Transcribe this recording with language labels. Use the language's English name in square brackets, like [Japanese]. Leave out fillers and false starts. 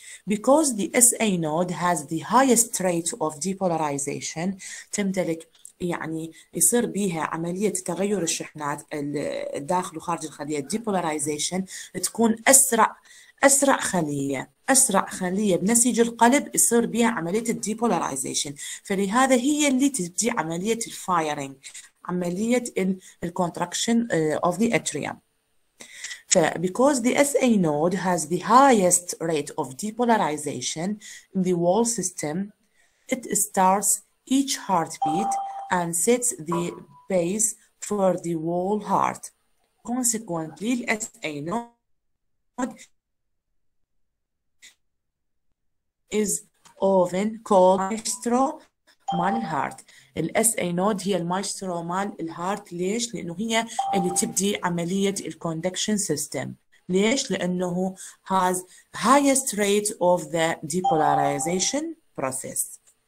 [English] Because the SA node has the highest rate of depolarization، [Arabic] تمتلك يعني يصير بيها عملية تغير الشحنات الداخل وخارج الخلية، depolarization، تكون أسرع خلية، أسرع خلية بنسيج القلب يصير بيها عملية depolarization، فلهذا هي اللي تبدي عملية الفايرنج، عملية الكونتراكشن [English] of the atrium. Because the SA node has the highest rate of depolarization in the wall system, it starts each heartbeat and sets the pace for the wall heart. Consequently, the SA node is often called maestro [Arabic] مال الهارت. الاس اي نود هي المايسترو مال الهارت. ليش؟ لانه هي اللي تبدي عمليه الكوندكشن سيستم. ليش؟ لانه [English] has highest rate of the depolarization process.